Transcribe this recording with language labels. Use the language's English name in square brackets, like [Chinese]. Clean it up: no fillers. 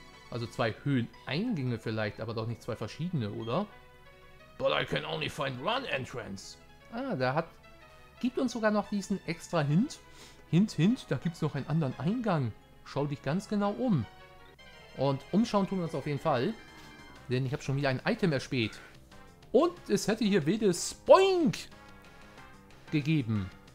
[German] Also zwei Höhleneingänge vielleicht, aber doch nicht zwei verschiedene, oder? [English] But I can only find one entrance. [German] Ah, da hat... Gibt uns sogar noch diesen extra Hint. Hint, da gibt's noch einen anderen Eingang. Schau dich ganz genau um. Und umschauen tun wir uns auf jeden Fall. Denn ich habe schon wieder ein Item erspäht. Und es hätte hier wilde Spoink gegeben.